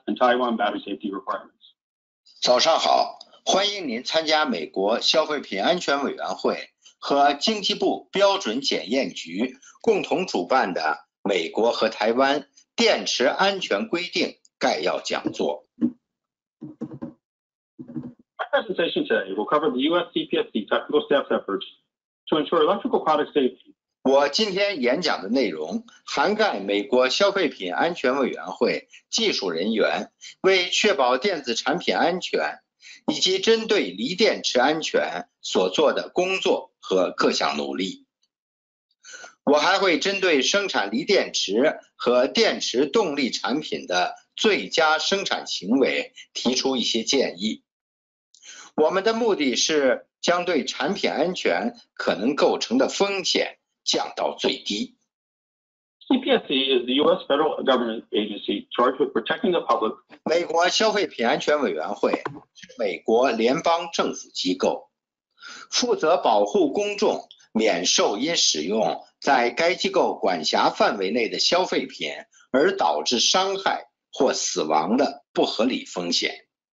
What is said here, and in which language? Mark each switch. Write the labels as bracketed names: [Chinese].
[English] and Taiwan battery safety requirements. [Chinese] 早上好，欢迎您参加美国消费品安全委员会和经济部标准检验局共同主办的美国和台湾电池安全规定概要讲座。 [English] My presentation today will cover the U.S. CPSC technical staff's efforts to ensure electrical product safety. [Chinese] 我今天演讲的内容涵盖美国消费品安全委员会技术人员为确保电子产品安全以及针对锂电池安全所做的工作和各项努力。我还会针对生产锂电池和电池动力产品的最佳生产行为提出一些建议。我们的目的是将对产品安全可能构成的风险降到最低。 [English] CPSC is the U.S. federal government agency charged with protecting the public. [Chinese] 美国消费品安全委员会是美国联邦政府机构，负责保护公众免受因使用在该机构管辖范围内的消费品而导致伤害或死亡的不合理风险。